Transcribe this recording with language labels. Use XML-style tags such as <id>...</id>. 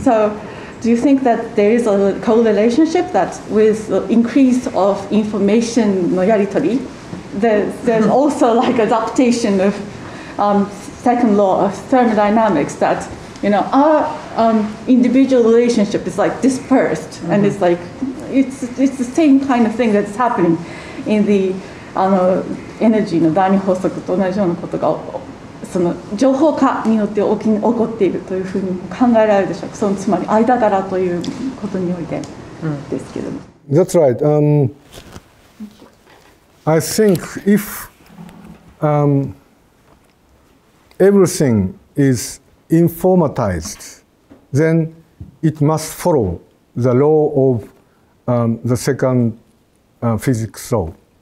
<en>So do you think that there is a correlationship that with the increase of information</en> <ja>no yaritori,</ja> <en>there's also like adaptation of second law of thermodynamics, that, you know, our individual relationship is like dispersed, and it's like it's the same kind of thing that's happening in the</en> <ja>energy の第二法則と同じようなことが、その情報化によって起こっているというふうに考えられるでしょうか。そのつまり間柄ということにおいてですけども。</ja> <en>That's right. I think if everything is informatized, then it must follow the law of the second physics law.</en>